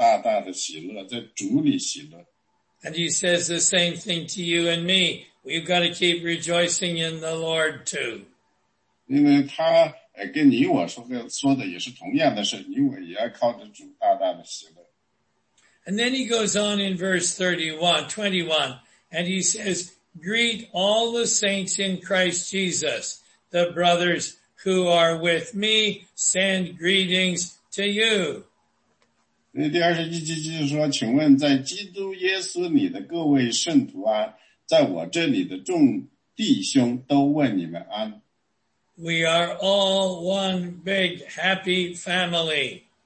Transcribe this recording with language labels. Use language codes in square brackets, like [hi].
[zh] 使徒保罗说呢,你们这些腓立比人要靠着主大大的喜乐,在主里喜乐。 [en] And he says the same thing to you and me. We've got to keep rejoicing in the Lord too. [zh] 因为他跟你我说的说的也是同样的事,你我也要靠着主大大的喜乐。 [en] And then he goes on in verse 21, and he says, greet all the saints in Christ Jesus, the brothers who are with me, send greetings to you. [zh] 第21节就是说,请问在基督耶稣里的各位圣徒啊,在我这里的众弟兄都问你们安。 [en] We are all one big happy family.